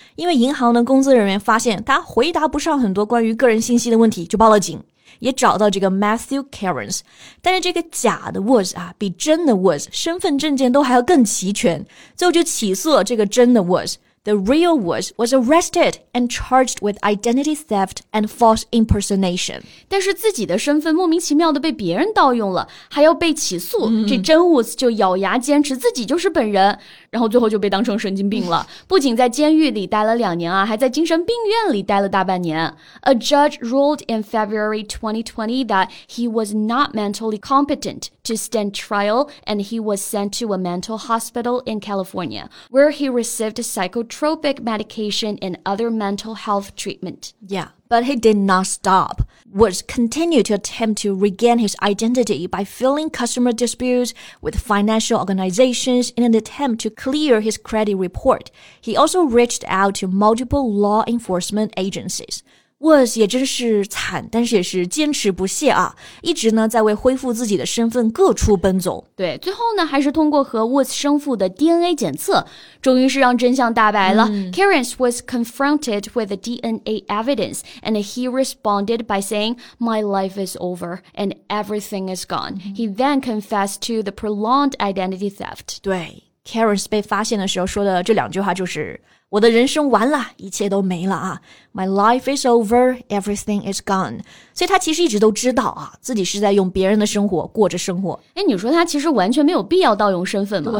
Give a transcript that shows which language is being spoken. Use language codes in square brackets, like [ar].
[zh] 因为银行的工作人员发现他回答不上很多关于个人信息的问题，就报了警，也找到这个 Matthew Cairns。但是这个假的 Woods 啊，比真的 Woods 身份证件都还要更齐全，最后就起诉了这个真的 Woods。 [en] The real Woods was arrested and charged with identity theft and false impersonation. [zh] 但是自己的身份莫名其妙的被别人盗用了，还要被起诉。这真 Woods 就咬牙坚持自己就是本人，然后最后就被当成神经病了。不仅在监狱里待了两年啊，还在精神病院里待了大半年。 [en] A judge ruled in February 2020 that he was not mentally competent to stand trial and he was sent to a mental hospital in California, where he received psychotropic medication and other mental health treatment. Yeah, but he did not stop. Woods continued to attempt to regain his identity by filing customer disputes with financial organizations in an attempt to clear his credit report. He also reached out to multiple law enforcement agencies. [zh] Woods 也真是惨，但是也是坚持不懈啊，一直呢在为恢复自己的身份各处奔走。对，最后呢还是通过和 Woods 生父的 DNA 检测，终于是让真相大白了。 [en] Cairns was confronted with the DNA evidence and he responded by saying, "My life is over and everything is gone." He then confessed to the prolonged identity theft. [zh] 对， Cairns 被发现的时候说的这两句话就是我的人生完了，一切都没了啊。 [en] My life is over, everything is gone. [zh] 所以他其实一直都知道啊，自己是在用别人的生活过着生活。哎，你说他其实完全没有必要盗用身份吗？